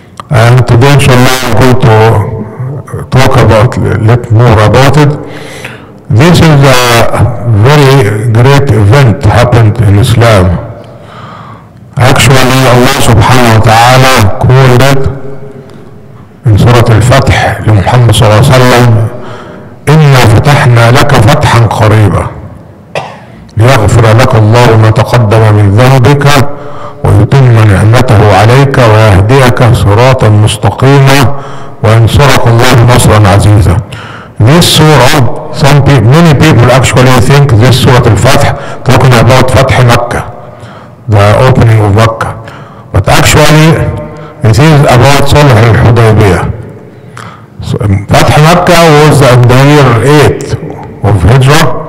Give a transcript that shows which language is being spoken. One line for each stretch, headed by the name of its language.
English: And today inshallah I'm going to talk about a little more about it. This is a very great event happened in Islam. Actually Allah subhanahu wa ta'ala called it in Surah Al-Fath to Muhammad sallallahu alayhi wa sallam
Arabic: إِنَّا فَتَحْنَا لَكَ فَتْحًا قَرِيبًا لِيَغْفِرَ لَكَ اللَّهُ مَا تَقَدَّمَ مِنْ ذَنْبِكَ ويتم نعمته عليك ويهديك صراطا مستقيما وينصرك الله نصرا عزيزا.
English: This surah, many people actually think this surah al-Fath talking about فتح مكة, the opening of مكة. But actually it is about صلح الحديبية. فتح مكة was in the year 8 of Hijra.